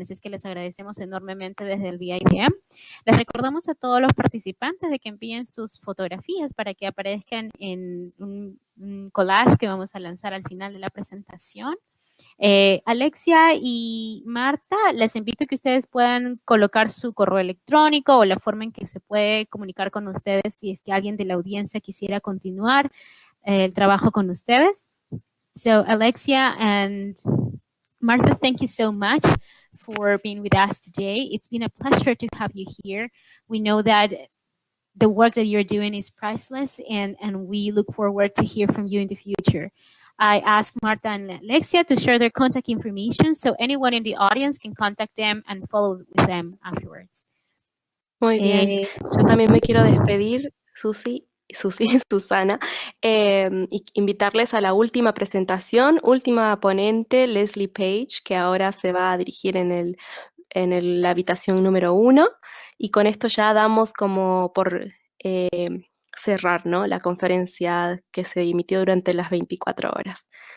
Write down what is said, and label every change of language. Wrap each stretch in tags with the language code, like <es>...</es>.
<es>Así es que les agradecemos enormemente desde el VIBM. Les recordamos a todos los participantes de que envíen sus fotografías para que aparezcan en un collage que vamos a lanzar al final de la presentación. Alexia y Marta, les invito a que ustedes puedan colocar su correo electrónico o la forma en que se puede comunicar con ustedes si es que alguien de la audiencia quisiera continuar el trabajo con ustedes.</es> <en>So, Alexia and Martha, thank you so much for being with us today. It's been a pleasure to have you here. We know that the work that you're doing is priceless, and we look forward to hear from you in the future. I asked Martha and Alexia to share their contact information so anyone in the audience can contact them and follow with them afterwards.</en> <es>Muy bien. Yo también me quiero despedir, Susana, invitarles a la última presentación, última ponente, Leslie Page, que ahora se va a dirigir en la habitación número 1. Y con esto ya damos como por cerrar, ¿no?, la conferencia que se emitió durante las 24 horas.</es>